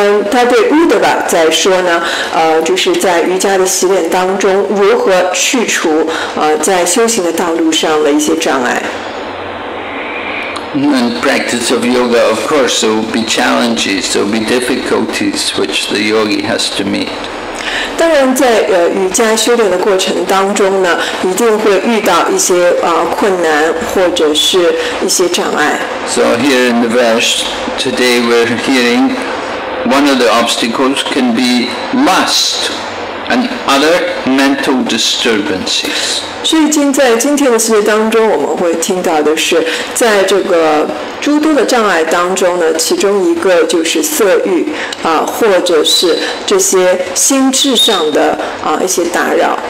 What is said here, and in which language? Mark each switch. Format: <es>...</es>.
<zh>他对 Uddhava 在说呢，就是在瑜伽的习练当中如何去除在修行的道路上的一些障碍。</zh> <en>And practice of yoga, of course, there will be challenges, there will be difficulties which the yogi has to meet.</en> <zh>当然在瑜伽修炼的过程当中呢，一定会遇到一些困难或者是一些障碍。</zh> <en>So here in the verse, today we're hearing one of the obstacles can be lust. And other mental disturbances.</en> <zh>所以在今天的世界当中，我们会听到的是，在这个诸多的障碍当中呢，其中一个就是色欲啊，或者是这些心智上的啊一些打扰。</zh>